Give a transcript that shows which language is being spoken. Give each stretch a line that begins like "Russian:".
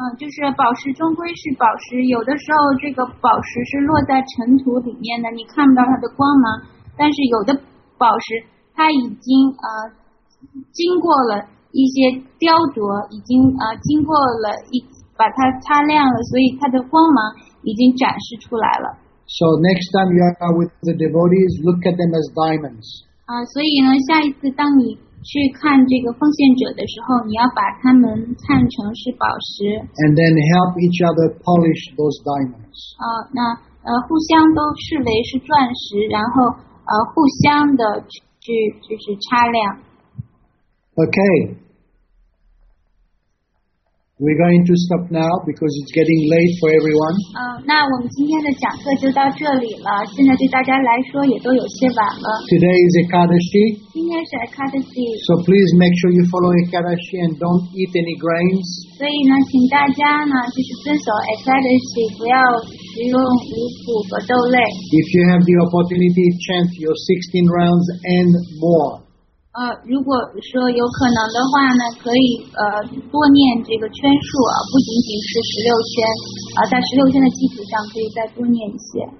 Chinese: 就是宝石终归是宝石，有的时候这个宝石是落在尘土里面的，你看不到它的光芒。但是有的宝石它已经经过了一些雕琢，已经经过了把它擦亮了，所以它的光芒已经展示出来了。
English: So next time you are with the devotees, look at them as diamonds.
Chinese: 所以呢，下一次当你去看这个奉献者的时候，你要把他们看成是宝石。
English: And then help each other polish those diamonds.
Chinese: 互相都视为是钻石，然后互相的去就是擦亮。
English: Okay, we're going to stop now because it's getting late for everyone.
Chinese: 那我们今天的讲课就到这里了，现在对大家来说也都有些晚了。
English: Today is Ekadashi.
Chinese: 今天是 Ekadashi.
English: So please make sure you follow Ekadashi and don't eat any grains.
Chinese: 所以呢，请大家呢就是遵守 Ekadashi， 不要食用五谷和豆类。
English: If you have the opportunity, chant your 16 rounds and more.
Chinese: 如果说有可能的话呢，可以多念这个圈数啊，不仅仅是16圈，在16圈的基础上可以再多念一些。